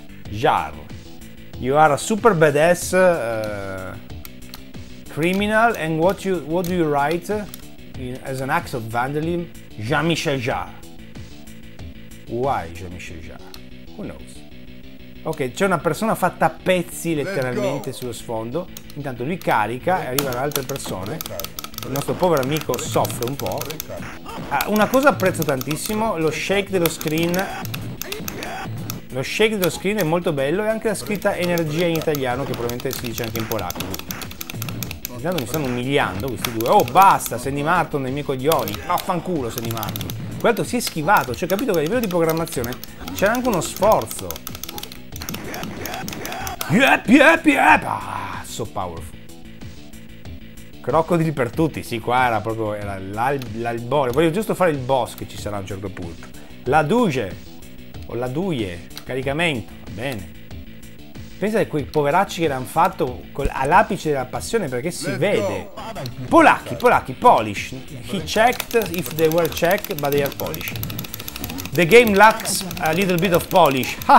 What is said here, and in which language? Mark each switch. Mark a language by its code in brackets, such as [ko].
[en] Jar, you are a super badass criminal and what do you write as an act of vandalism? Jean-Michel Jarre. guai, Jean-Michel Jarre. Who knows? [it] Ok, c'è una persona fatta a pezzi letteralmente sullo sfondo. Intanto lui carica e arrivano altre persone. Il nostro povero amico soffre un po'. Una cosa apprezzo tantissimo, lo shake dello screen. Lo shake dello screen è molto bello e anche la scritta energia in italiano, che probabilmente si dice anche in polacco. Intanto mi stanno umiliando questi due. Oh, basta, Sandy Martin dei miei coglioni. Vaffanculo, Sandy Martin. Quell'altro si è schivato, cioè ho capito che a livello di programmazione c'era anche uno sforzo. [en] Yep, yep, yep. Ah, so powerful. [it] Crocodili per tutti. Sì, qua era proprio l'albore. Voglio giusto fare il boss che ci sarà a un certo punto. La duge. O la duie. Caricamento. Va bene. Pensa a quei poveracci che l'hanno fatto all'apice della passione, perché si vede. Polacchi, polacchi, Polish. [en] He checked if they were Czech, but they are Polish. The game lacks a little bit of Polish.